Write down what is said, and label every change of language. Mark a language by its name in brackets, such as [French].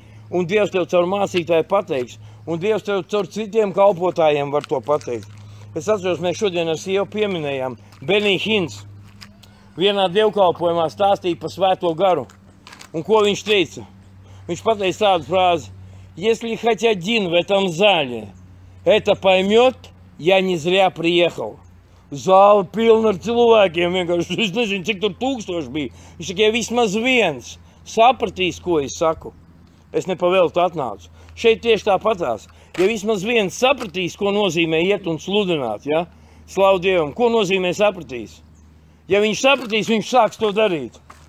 [Latvian] Un Dievs tev caur mācītāju pateiks. Un Dievs tev caur citiem kalpotājiem var to pateikt. Es atceros, mēs šodien ar sievu pieminējām. Benī Hins vienā dievkalpojumā stāstīja par svēto garu. Un ko viņš teica? Viņš pateica tādu frāzi. [Russian] Если хоть один в этом зале это поймет, я не зря приехал. [Latvian] Зал piln ar cilvēkiem, vienkārši, es nezinu, cik tur tūkstoši bija. Viņš tikai vismaz viens sapratīs, ko es saku. Es nepavēlu atnācu. Šeit tieši tā patās. Ja vismaz viens sapratīs, ko nozīmē iet un sludināt, ja? Slavu Dievam, ko nozīmē sapratīs? Ja viņš sapratīs, viņš sāks to darīt.